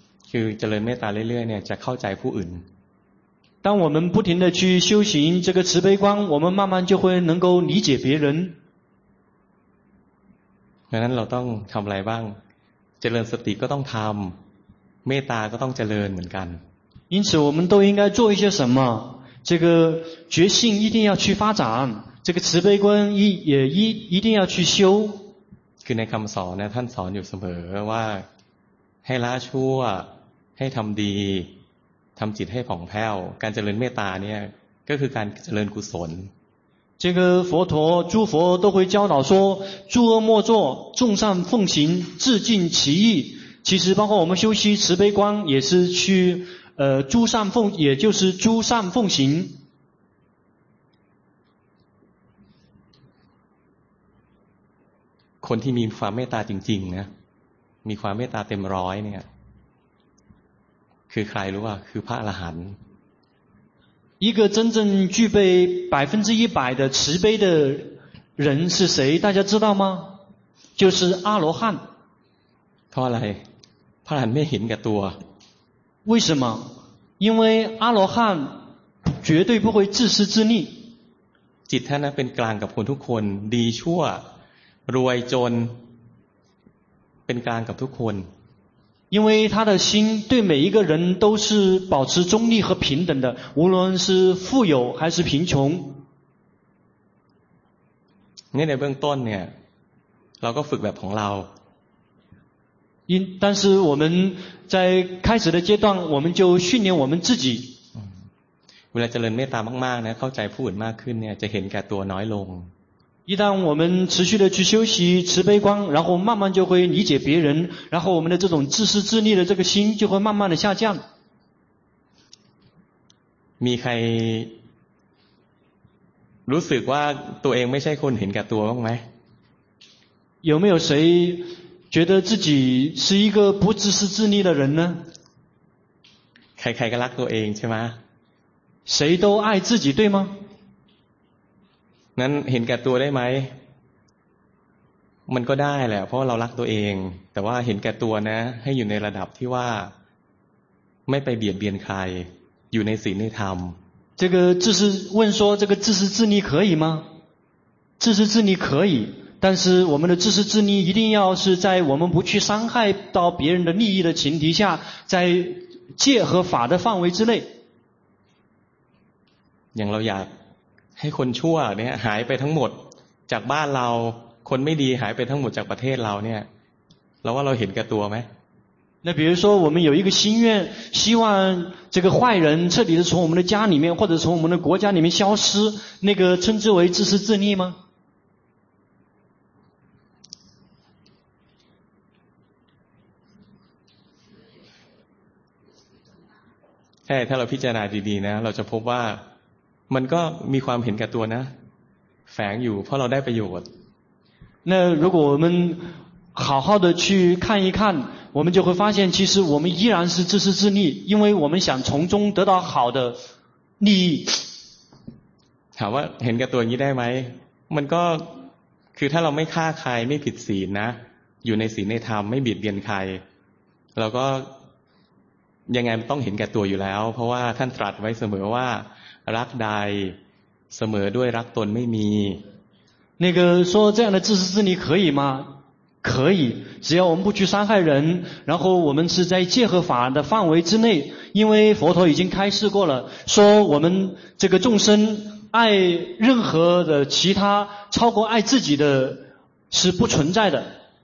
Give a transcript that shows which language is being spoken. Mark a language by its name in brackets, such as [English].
[Thai] คือเจริญเมตตาเรื่อยๆเนี่ยจะเข้าใจผู้อื่น [Chinese] 当我们不停的去修行这个慈悲观我们慢慢就会能够理解别人 [Thai] เพราะนั้นเราต้องทำอะไรบ้างเจริญสติก็ต้องทำเมตตาก็ต้องเจริญเหมือนกัน [Chinese] 因此我们都应该做一些什么这个觉性一定要去发展这个慈悲观也一定要去修 [Thai] คือในคำสอนนะท่านสอนอยู่เสมอว่าให้ละชั่วให้ทำดีทำจิตให้ผ่องแผ้วการเจริญเมตตาเนี่ยก็คือการเจริญกุศล [Chinese] 这个佛陀诸佛都会教导说诸恶莫作众善奉行自尽其意其实包括我们修习慈悲观也是去诸善奉也就是诸善奉行 [Thai] คนที่มีความเมตตาจริงๆนะมีความเมตตาเต็มร้อยเนี่ยคือใครรู้ว่าคือพระอรหันต์ [Chinese] 一个真正具备100%的慈悲的人是谁大家知道吗就是阿罗汉 [Thai] เพราะอะไรพระอรหันต์ไม่เห็นกับตัว [Chinese] 为什么因为阿罗汉绝对不会自私自利 [Thai] จิตท่านเป็นกลางกับคนทุกคนดีชั่วรวยจนเป็นกลางกับทุกคน [Chinese] 因为他的心对每一个人都是保持中立和平等的无论是富有还是贫穷 [Thai] นี่ในเบื้องต้นเนี่ยเราก็ฝึกแบบของเรา [Chinese] 但是我们在开始的阶段我们就训练我们自己 [Thai] เวลาเจริญเมตตามากๆนะเข้าใจผู้อื่นมากขึ้นเนี่ยจะเห็นแก่ตัวน้อยลง [Chinese] 一旦我们持续的去修习慈悲观然后慢慢就会理解别人然后我们的这种自私自利的这个心就会慢慢的下降 [Thai] มีใครรู้สึกว่าตัวเองไม่ใช่คนเห็นแก่ตัวบ้างไหม [Chinese] 有没有谁觉得自己是一个不自私自利的人呢 [Thai] ใครๆก็รักตัวเองใช่ไหม [Chinese] 谁都爱自己对吗 [Thai] นั้นเห็นแก่ตัวได้ไหมมันก็ได้แหละเพราะเรารักตัวเองแต่ว่าเห็นแก่ตัวนะให้อยู่ในระดับที่ว่าไม่ไปเบียดเบียนใครอยู่ในศีลในธรรม [Chinese] 这个自私问说这个自私自利可以吗自私自利可以但是我们的自私自利一定要是在我们不去伤害到别人的利益的前提下，在戒和法的范围之内。 [Thai] อย่างเราอยากให้คนชั่วเนี่ยหายไปทั้งหมดจากบ้านเราคนไม่ดีหายไปทั้งหมดจากประเทศเราเนี่ยเราว่าเราเห็นกับตัวไหม [Chinese] 那比如说我们有一个心愿，希望这个坏人彻底的从我们的家里面或者从我们的国家里面消失，那个称之为自私自利吗？ [Thai] 哎，ถ้าเราพิจารณาดีๆนะเราจะพบว่ามันก็มีความเห็นแก่ตัวนะแฝงอยู่เพราะเราได้ประโยชน์ [Chinese] 那如果我们好好的去看一看我们就会发现其实我们依然是自私自利因为我们想从中得到好的利益 [Thai] ถามว่าเห็นกับตัวนี้ได้ไหมมันก็คือถ้าเราไม่ฆ่าใครไม่ผิดศีลนะอยู่ในศีลในธรรมไม่เบียดเบียนใครเราก็ยังไงต้องเห็นกับตัวอยู่แล้วเพราะว่าท่านตรัสไว้เสมอว่ารักใดเสมอด้วยรักตนไม่มี [Chinese] 那个说这样的自私自利可以吗可以只要我们不去伤害人然后我们是在戒和法的范围之内因为佛陀已经开示过了说我们这个众生爱任何的其他超过爱自己的是不存在的